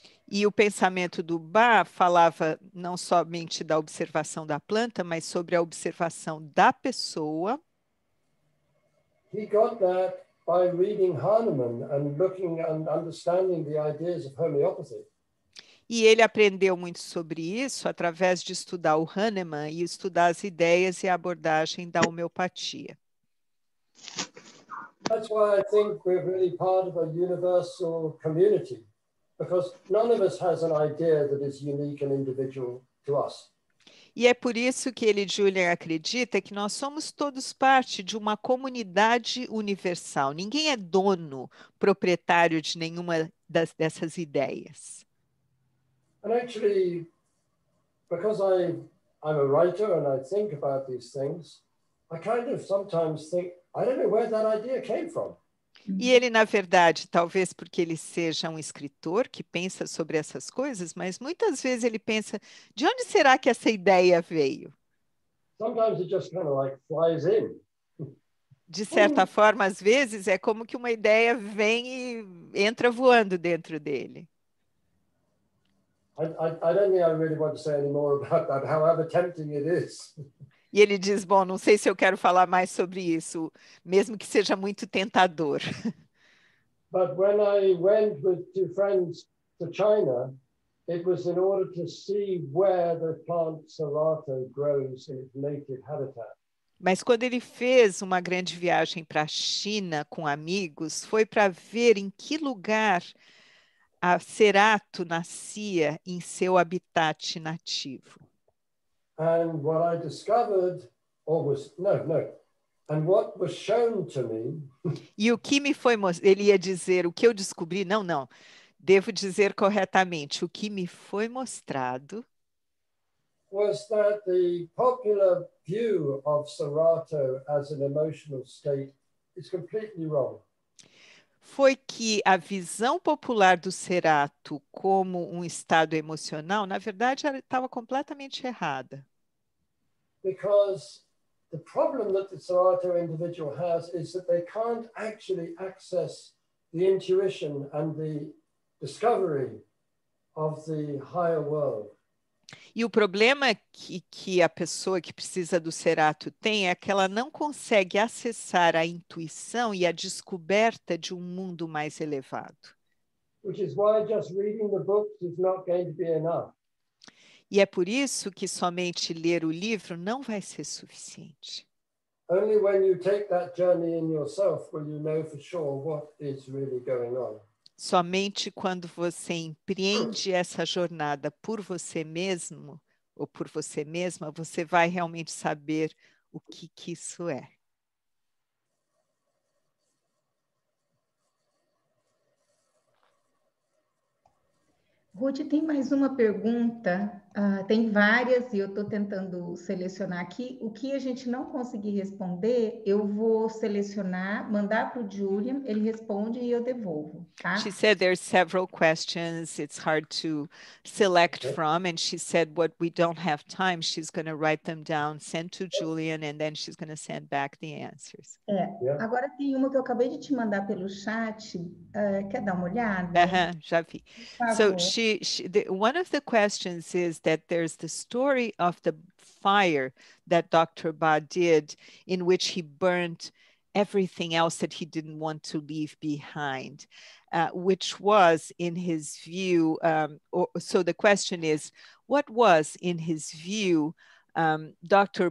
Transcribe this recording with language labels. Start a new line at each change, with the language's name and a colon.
Portuguese: E o pensamento do Ba falava não somente da observação da planta, mas sobre a observação da pessoa.
English: He got that by reading Hahnemann and looking and understanding the ideas of homeopathy.
Portuguese: E ele aprendeu muito sobre isso através de estudar o Hahnemann e estudar as ideias e a abordagem da homeopatia.
English: That's why I think we're really part of a universal community, because none of us has an idea that is unique and individual to us.
Portuguese: E é por isso que ele, Julian, acredita que nós somos todos parte de uma comunidade universal. Ninguém é dono, proprietário de nenhuma dessas ideias.
English: And actually, because I'm a writer and I think about these things, I kind of sometimes think, I don't know where that idea came from.
Portuguese: E ele, na verdade, talvez porque ele seja um escritor que pensa sobre essas coisas, mas muitas vezes ele pensa, de onde será que essa ideia veio?
English: Sometimes it just kind of like flies in.
Portuguese: De certa forma, às vezes, é como que uma ideia vem e entra voando dentro dele.
English: I don't think I really want to say any more about that, however tempting it is.
Portuguese: E ele diz, bom, não sei se eu quero falar mais sobre isso, mesmo que seja muito tentador.
English: But when I went with two friends to China, it was in order to see where the plant serrato grows in its native habitat.
Portuguese: Mas quando ele fez uma grande viagem para a China com amigos, foi para ver em que lugar a cerato nascia em seu habitat nativo.
English: And what I discovered, or was, and what was shown to me.
Portuguese: E o que me foi mostrado, ele ia dizer, o que eu descobri, não, devo dizer corretamente, o que me foi mostrado.
English: Was that the popular view of serrato as an emotional state is completely wrong.
Portuguese: Foi que a visão popular do cerato como um estado emocional, na verdade, estava completamente errada.
English: Because the problem that the serrato individual has is that they can't actually access the intuition and the discovery of the higher world.
Portuguese: E o problema que a pessoa que precisa do cerato tem é que ela não consegue acessar a intuição e a descoberta de um mundo mais elevado.
English: Which is why just reading the books is not going to be enough.
Portuguese: E é por isso que somente ler o livro não vai ser suficiente.
English: Only when you take that journey in yourself will you know for sure what is really going on.
Portuguese: Somente quando você empreende essa jornada por você mesmo ou por você mesma, você vai realmente saber o que que isso é. Ruth, tem mais uma pergunta, tem várias e eu estou tentando selecionar aqui. O que a gente não conseguir responder, eu vou selecionar, mandar para o Julian, ele responde e eu devolvo, tá?
English: She said there are several questions, it's hard to select from, and she said what we don't have time, she's going to write them down, send to Julian, and then she's going to send back the answers. É. Yeah.
Portuguese: Agora tem uma que eu acabei de te mandar pelo chat, quer dar uma olhada? Já vi.
English: So one of the questions is that there's the story of the fire that Dr. Ba did, in which he burnt everything else that he didn't want to leave behind, which was, in his view, so the question is, what was, in his view, Dr.